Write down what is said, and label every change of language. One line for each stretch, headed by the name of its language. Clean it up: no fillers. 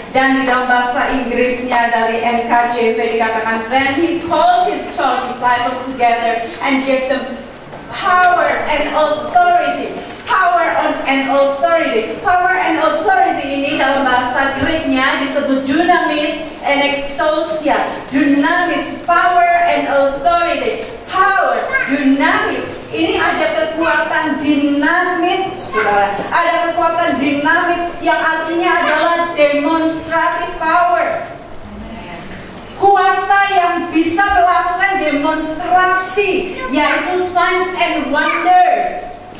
Indonesian: Dan di dalam bahasa Inggrisnya dari NKJV dikatakan,
English: then he called his 12 disciples together and gave them power and authority. Power and authority.
Indonesian: Power and authority ini dalam bahasa Greeknya disebut dynamis and exousia.
English: Dynamis, power and authority. Power, dynamis.
Indonesian: Ini ada kekuatan dinamit, saudara. Ada kekuatan dinamit yang artinya adalah
English: demonstrative power.
Indonesian: Kuasa yang bisa melakukan demonstrasi, yaitu
English: signs and wonders.